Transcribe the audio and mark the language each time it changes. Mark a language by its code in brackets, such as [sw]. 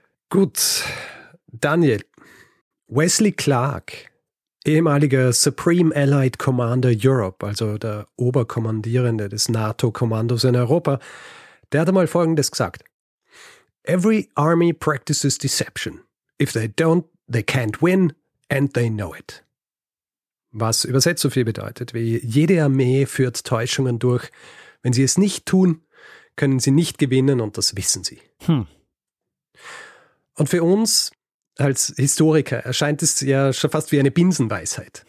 [de] Gut, Daniel, Wesley Clark, ehemaliger Supreme Allied Commander Europe, also der Oberkommandierende des NATO-Kommandos in Europa, der hat einmal Folgendes gesagt. [en] Every army practices deception. If they don't, they can't win and they know it. [de] Was übersetzt so viel bedeutet, wie jede Armee führt Täuschungen durch. Wenn sie es nicht tun, können sie nicht gewinnen und das wissen sie. Hm. Und für uns als Historiker erscheint es ja schon fast wie eine Binsenweisheit.